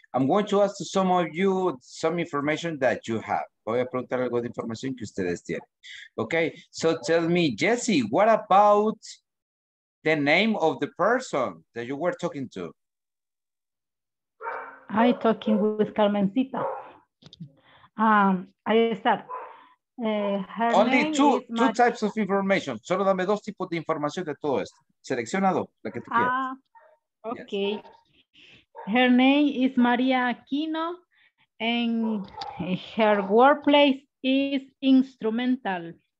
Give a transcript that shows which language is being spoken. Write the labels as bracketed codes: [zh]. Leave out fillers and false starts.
[en] I'm going to ask some of you some information that you have. [es] Voy a preguntar algo de información que ustedes tienen. [en] Okay, so tell me, Jesse, what about the name of the person that you were talking to? I talking with Carmencita. I start. Only two types of information. [es] Solo dame dos tipos de información de todo esto. Seleccionado, la que tú quieras. [en] Okay. Yes. Her name is Maria Aquino, and her workplace is instrumental.